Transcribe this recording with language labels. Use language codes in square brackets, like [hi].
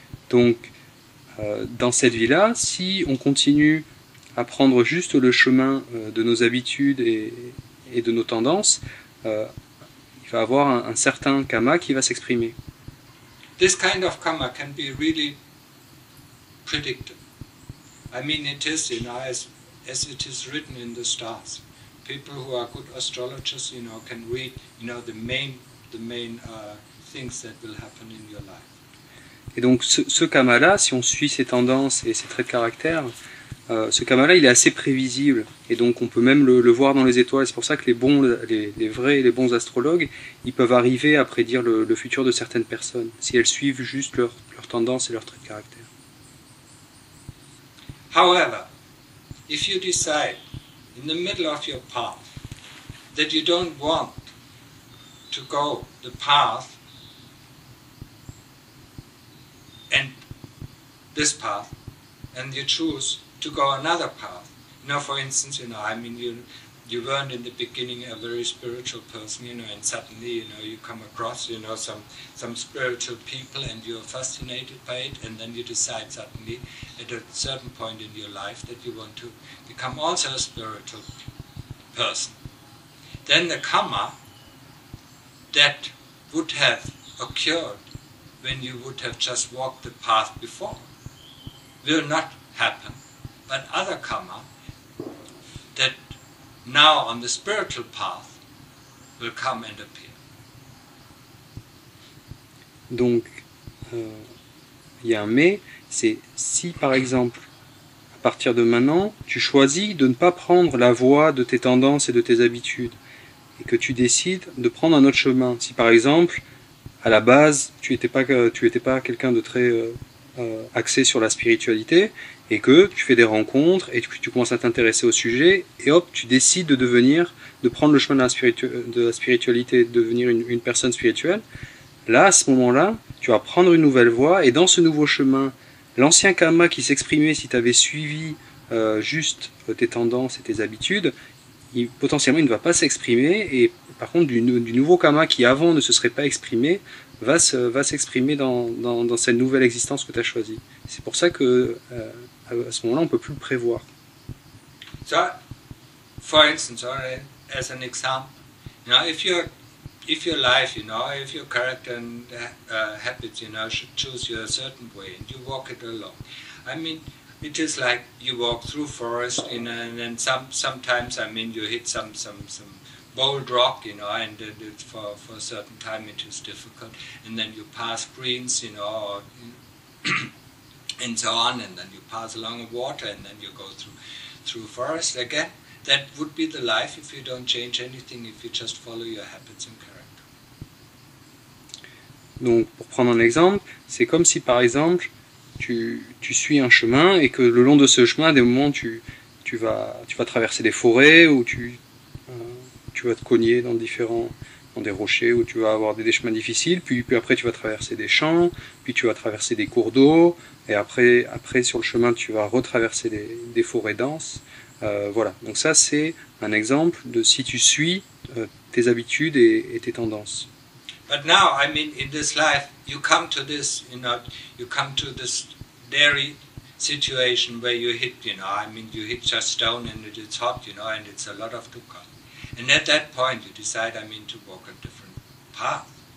[fr] Donc, dans cette vie-là, si on continue à prendre juste le chemin de nos habitudes et de nos tendances, il va y avoir un certain kamma qui va s'exprimer. [en] This kind of kamma can be really predicted. I mean, it is, you know, as it is written in the stars. people who are good astrologers, you know, can read, you know, the main things that will happen in your life. [fr] Et donc ce kamma-là, si on suit ses tendances et ses traits de caractère, ce kamma-là, il est assez prévisible. Et donc on peut même le voir dans les étoiles. C'est pour ça que les bons astrologues, ils peuvent arriver à prédire le futur de certaines personnes, si elles suivent juste leurs tendances et leurs traits de caractère. [en] However, if you decide in the middle of your path that you don't want to go the path and this path, and you choose to go another path. You know, for instance, you know, I mean, you weren't in the beginning a very spiritual person, you know, and suddenly, you know, you come across, you know, some spiritual people and you're fascinated by it, and then you decide suddenly at a certain point in your life that you want to become also a spiritual person. Then the kamma that would have occurred when you would have just walked the path before will not happen. But other kamma that now on the spiritual path will come and appear. [fr] Donc, y a un mais, c'est si par exemple, à partir de maintenant, tu choisis de ne pas prendre la voie de tes tendances et de tes habitudes, et que tu décides de prendre un autre chemin. Si par exemple, à la base, tu n'étais pas quelqu'un de très axé sur la spiritualité, et que tu fais des rencontres, et que tu commences à t'intéresser au sujet, et hop, tu décides de prendre le chemin de la spiritualité, de devenir une personne spirituelle, là, à ce moment-là, tu vas prendre une nouvelle voie, et dans ce nouveau chemin, l'ancien kamma qui s'exprimait si tu avais suivi juste tes tendances et tes habitudes, potentiellement il ne va pas s'exprimer, et par contre du nouveau kamma qui avant ne se serait pas exprimé, va s'exprimer dans cette nouvelle existence que tu as choisie. C'est pour ça que à ce moment-là, on ne peut plus le prévoir. [en] So, for instance, or as an example, you know, if your life, you know, if your character and habits, you know, should choose you a certain way and you walk it along. I mean, it is like you walk through forest, you know, and then sometimes, I mean, you hit some bold rock, you know, and it's for a certain time it is difficult, and then you pass greens, you know, or, you know and so on, and then you pass along a water, and then you go through forest again. That would be the life if you don't change anything, if you just follow your habits and character. [fr] Donc, pour prendre un exemple, c'est comme si, par exemple, tu suis un chemin, et que le long de ce chemin, à des moments, tu vas traverser des forêts, ou tu vas te cogner dans des rochers où tu vas avoir des chemins difficiles, puis après tu vas traverser des champs, puis tu vas traverser des cours d'eau, et après sur le chemin tu vas retraverser des forêts denses. Voilà, donc ça c'est un exemple de si tu suis tes habitudes et tes tendances. [en] But now, I mean, in this life, you come to this, you know, you come to this dairy situation where you hit, you know, I mean, you hit just stone and it's hot, you know, and it's a lot of dukkha. And at that point, you decide, I mean, to walk a different path.